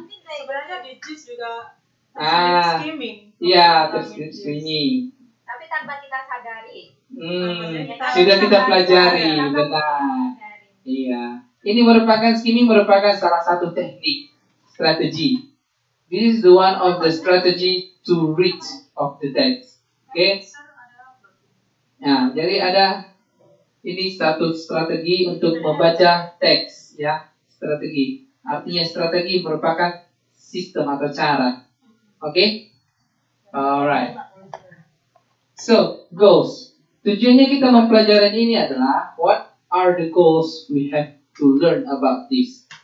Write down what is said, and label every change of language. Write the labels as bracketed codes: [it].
[id] Sebenarnya di JIS juga skimming. Iya, terus skimming. Tapi tanpa kita sadari. Sudah kita pelajari, benar. Iya. Ini merupakan skimming merupakan salah satu teknik strategi. [en] This is the one of the strategy to read of the text. Oke. Okay. [id] Nah, jadi ada ini satu strategi untuk membaca teks ya, strategi. Artinya strategi merupakan sistem atau cara. Oke? Okay? Alright. [en] So, goals. [id] Tujuannya kita mempelajari ini adalah [en] what are the goals we have to learn about this?